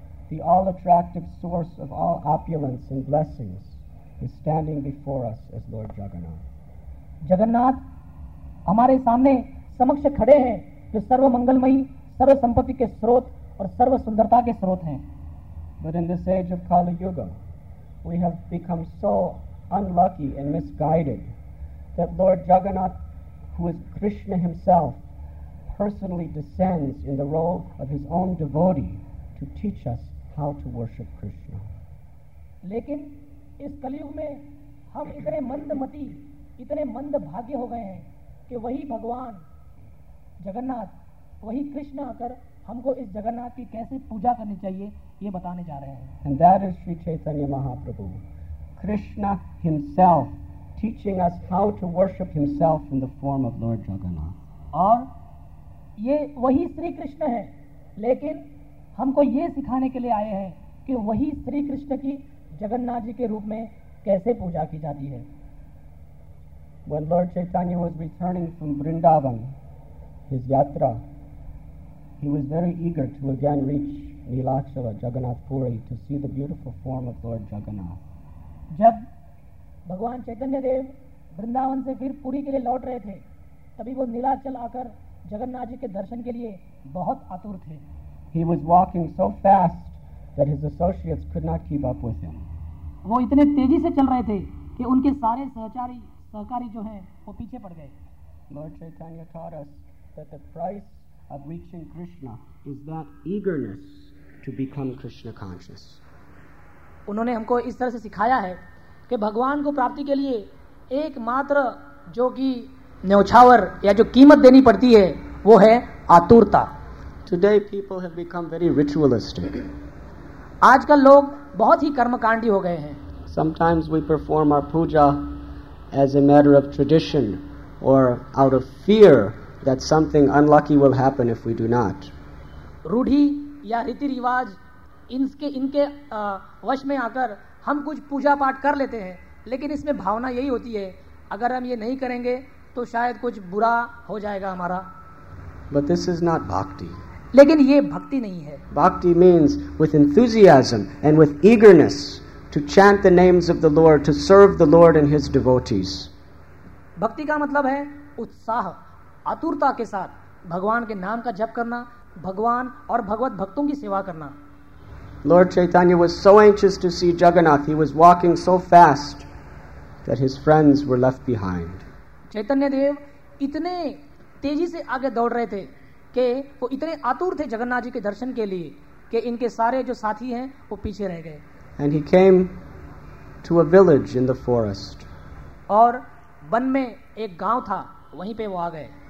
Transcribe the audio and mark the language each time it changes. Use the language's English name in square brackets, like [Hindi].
[English] The all-attractive source of all opulence and blessings is standing before us as Lord Jagannath. [Hindi] Jagannath, हमारे सामने समक्ष खड़े हैं जो सर्व मंगलमयी, सर्व संपत्ति के स्रोत और सर्व सुंदरता के स्रोत हैं। [English] But in this age of Kali Yuga, we have become so unlucky and misguided that Lord Jagannath, who is Krishna himself, personally descends in the role of his own devotee to teach us how to worship Krishna. [Hindi] लेकिन इस कलयुग में हम इतने मंदमती, इतने मंद भाग्य हो गए हैं कि वही भगवान जगन्नाथ, वही कृष्ण आकर हमको इस जगन्नाथ की कैसे पूजा करनी चाहिए ये बताने जा रहे हैं। [English] And that is Sri Chaitanya Mahaprabhu, Krishna himself teaching us how to worship himself in the form of Lord Jagannath. [Hindi] और ये वही श्री कृष्ण है, लेकिन हमको ये सिखाने के लिए आए हैं कि वही श्री कृष्ण की जगन्नाथ जी के रूप में कैसे पूजा की जाती है। [English] When Lord Chaitanya was returning from Vrindavan, his yatra, he was very eager to again reach Neelachala Jagannath Puri to see the beautiful form of Lord Jagannath. [Hindi] जब भगवान चैतन्य देव वृंदावन से फिर पुरी के लिए लौट रहे थे, तभी वो नीलाचल आकर जगन्नाथ जी के दर्शन के लिए बहुत आतुर थे। [English] He was walking so fast that his associates could not keep up with him. [Hindi] वो इतने तेजी से चल रहे थे कि उनके सारे सहकारी जो हैं वो पीछे पड़ गए। [English] Lord Chaitanya taught us that the price of reaching Krishna is that eagerness to become Krishna conscious. [Hindi] उन्होंने हमको इस तरह से सिखाया है कि भगवान को प्राप्ति के लिए एकमात्र जो कि न्योछावर या जो कीमत देनी पड़ती है वो है आतुरता। [English] Today people have become very ritualistic. [Hindi] आजकल लोग बहुत ही कर्मकांडी हो गए हैं। [English] Sometimes we perform our puja as a matter of tradition or out of fear that something unlucky will happen if we do not. [Hindi] रूढ़ी या रीति रिवाज इनके वश में आकर हम कुछ पूजा पाठ कर लेते हैं, लेकिन इसमें भावना यही होती है अगर हम ये नहीं करेंगे तो शायद कुछ बुरा हो जाएगा हमारा। [English] But this is not bhakti. [Hindi] लेकिन ये भक्ति नहीं है। [English] Bhakti means with enthusiasm and with eagerness to chant the names of the Lord, to serve the Lord and his devotees. [Hindi] भक्ति का मतलब है उत्साह, आतुरता के साथ भगवान के नाम का जप करना, भगवान और भगवत भक्तों की सेवा करना। [English] Lord Chaitanya was so anxious to see Jagannath, he was walking so fast that his friends were left behind. [Hindi] चैतन्य देव इतने तेजी से आगे दौड़ रहे थे कि वो इतने आतुर थे जगन्नाथ जी के दर्शन के लिए कि इनके सारे जो साथी हैं वो पीछे रह गए। [English] And he came to a village in the forest. [Hindi] और वन में एक गांव था, वहीं पे वो आ गए।